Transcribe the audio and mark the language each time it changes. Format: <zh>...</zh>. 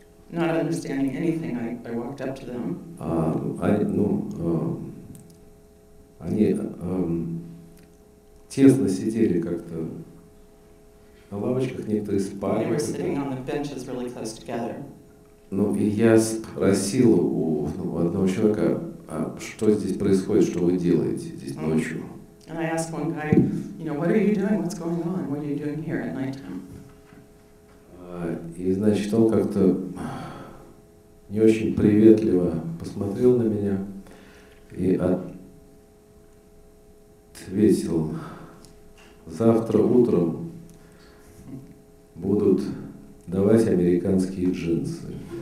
<en>not understanding anything, I walked up to them.</en> <ru>Они тесно сидели как-то на лавочках, некоторые спали.</ru> <en>They were sitting on the benches really close together.</en> <ru>Ну, и я спросил у одного человека, а что здесь происходит, что вы делаете здесь ночью?</ru> <en>And I asked one guy, you know, what are you doing? What's going on? What are you doing here at nighttime?</en> <ru>И значит, он как-то не очень приветливо посмотрел на меня и ответил: завтра утром будут давать американские джинсы.</ru>